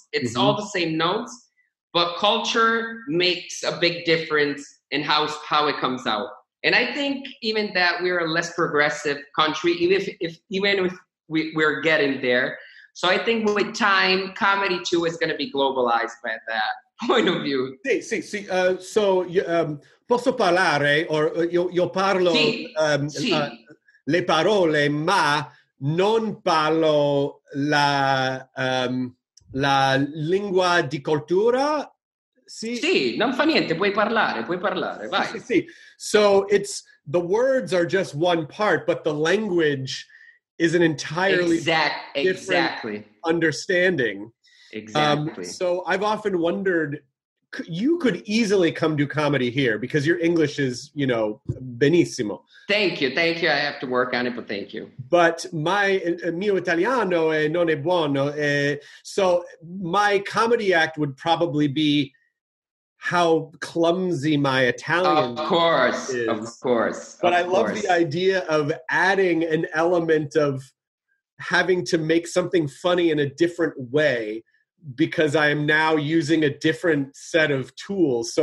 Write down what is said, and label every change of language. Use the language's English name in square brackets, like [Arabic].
[English] It's mm-hmm. all the same notes. But culture makes a big difference in how it comes out. And I think even that we're a less progressive country, even if we're getting there. So I think with time, comedy too is going to be globalized by that point of view. [Italian] Sí. Posso parlare, or io parlo le parole, ma non parlo la lingua di cultura. Sì, non fa niente, puoi parlare, vai. Sì. [English] So it's the words are just one part, but the language is an entirely different understanding. Exactly. So I've often wondered, you could easily come do comedy here because your English is, you know, benissimo. Thank you. I have to work on it, but thank you. But my [Italian] mio italiano non è buono. [English] So my comedy act would probably be how clumsy my Italian is. Of course. But I love the idea of adding an element of having to make something funny in a different way, because I am now using a different set of tools.